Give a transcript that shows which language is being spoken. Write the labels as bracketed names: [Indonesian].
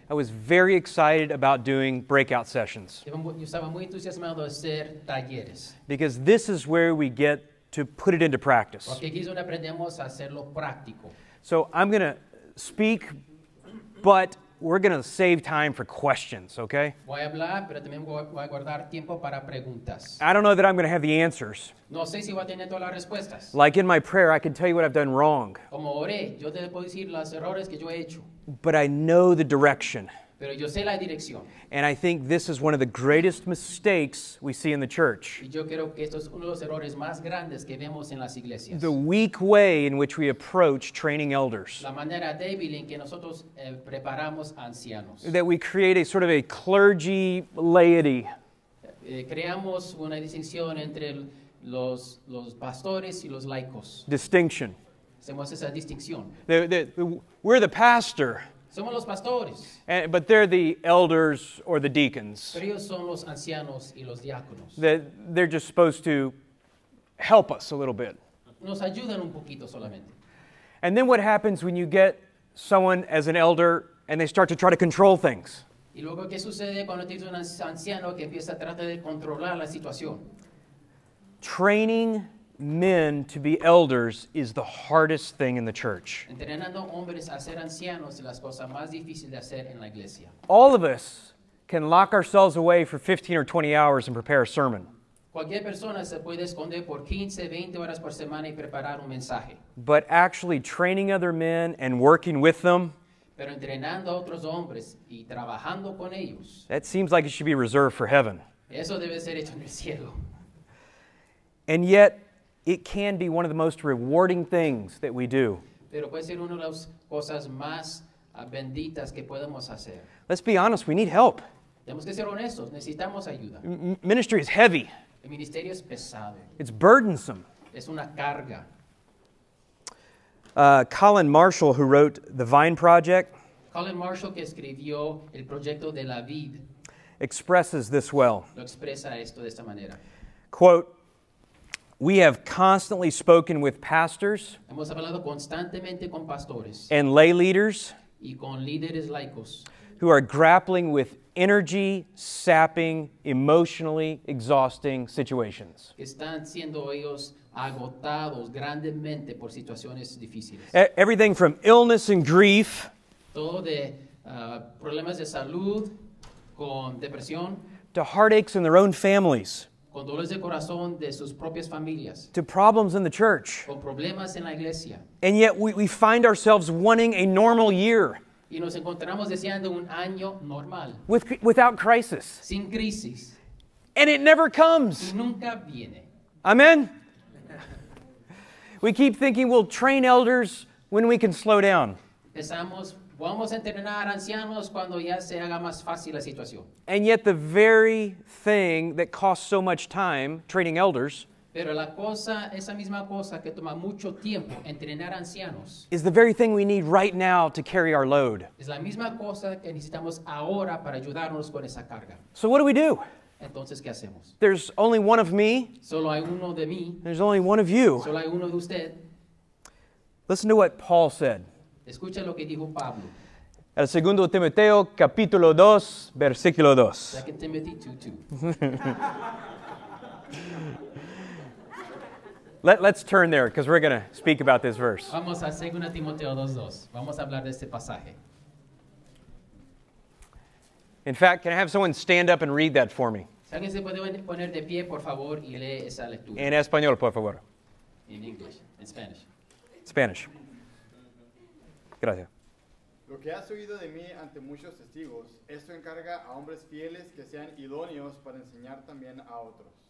[English] I was very excited about doing breakout sessions. [Spanish] Yo estaba muy entusiasmado de hacer talleres. [English] Because this is where we get to put it into practice. [Spanish] Porque aquí es donde aprendemos a hacerlo práctico. [English] So I'm going to speak, but we're going to save time for questions, okay? [Spanish] Voy a hablar, pero también voy a guardar tiempo para preguntas. [English] I don't know that I'm going to have the answers. [Spanish] No sé si voy a tener todas las respuestas. [English] Like in my prayer, I can tell you what I've done wrong. [Spanish] Como oré, yo te puedo decir los errores que yo he hecho. [English] But I know the direction. [Spanish] Pero yo sé la dirección. [English] And I think this is one of the greatest mistakes we see in the church. [Spanish] Y yo creo que esto es uno de los errores más grandes que vemos en las iglesias. [English] The weak way in which we approach training elders. [Spanish] La manera débil en que nosotros preparamos ancianos. [English] That we create a sort of a clergy laity. [Spanish] Creamos una distinción entre los pastores y los laicos. [English] Distinction. [Spanish] Hacemos esa distinción. [English] We're the pastor. [Spanish] Somos los pastores. [English] But they're the elders or the deacons. [Spanish] Pero ellos son los ancianos y los diáconos. [English] They're just supposed to help us a little bit. [Spanish] Nos ayudan un poquito solamente. [English] And then what happens when you get someone as an elder and they start to try to control things? [Spanish] Y luego, ¿qué sucede cuando tienes un anciano que empieza a tratar de controlar la situación? [English] Training men to be elders is the hardest thing in the church. [Spanish] Entrenando hombres a ser ancianos es la cosa más difícil de hacer en la iglesia. [English] All of us can lock ourselves away for 15 or 20 hours and prepare a sermon. [Spanish] Cualquier persona se puede esconder por 15, 20 horas por semana y preparar un mensaje. [English] But actually training other men and working with them, [Spanish] pero entrenando a otros hombres y trabajando con ellos, [English] that seems like it should be reserved for heaven. [Spanish] Eso debe ser hecho en el cielo. [English] And yet, it can be one of the most rewarding things that we do. [Spanish] Pero puede ser una de las cosas más benditas que podemos hacer. [English] Let's be honest, we need help. [Spanish] Tenemos que ser honestos, necesitamos ayuda. [English] Ministry is heavy. [Spanish] El ministerio es pesado. [English] It's burdensome. [Spanish] Es una carga. [English] Colin Marshall, who wrote The Vine Project, [Spanish] Colin Marshall, que escribió El Proyecto de la Vid, [English] expresses this well. [Spanish] Lo expresa esto de esta manera. [English] Quote, "We have constantly spoken with pastors, [Spanish] hemos hablado constantemente con pastores, [English] and lay leaders, [Spanish] y con líderes laicos, [English] who are grappling with energy sapping, emotionally exhausting situations. [Spanish] Están siendo ellos agotados grandemente por situaciones difíciles. [English] Everything from illness and grief, [Spanish] todo de problemas de salud con depresión, [English] to heartaches in their own families, [Spanish] con dolores de corazón de sus propias familias, [English] to problems in the church, [Spanish] con problemas en la iglesia. [English] And yet we find ourselves wanting a normal year, [Spanish] y nos encontramos deseando un año normal, [English] without crisis, [Spanish] sin crisis, [English] and it never comes, [Spanish] y nunca viene. [English] Amen. We keep thinking we'll train elders when we can slow down. [Spanish] Pensamos, vamos a entrenar ancianos cuando ya se haga más fácil la situación. [English] And yet the very thing that costs so much time, training elders, [Spanish] pero la cosa, esa misma cosa que toma mucho tiempo, entrenar ancianos, [English] is the very thing we need right now to carry our load. [Spanish] Es la misma cosa que necesitamos ahora para ayudarnos con esa carga. [English] So what do we do? [Spanish] Entonces, ¿qué hacemos? [English] There's only one of me. [Spanish] Solo hay uno de mí. [English] There's only one of you. [Spanish] Solo hay uno de usted. [English] Listen to what Paul said. [Spanish] Escucha lo que dijo Pablo. El segundo Timoteo, capítulo 2, versículo 2. [English] Second Timothy 2:2. Let's turn there, because we're going to speak about this verse. [Spanish] Vamos a Segunda Timoteo 2:2. Vamos a hablar de este pasaje. [English] In fact, can I have someone stand up and read that for me? [Spanish] ¿Alguien se puede poner de pie, por favor, y lee esa lectura? En español, por favor. [English] In English. In Spanish. Spanish. [Spanish] Gracias. Lo que has oído de mí ante muchos testigos, esto encarga a hombres fieles que sean idóneos para enseñar también a otros.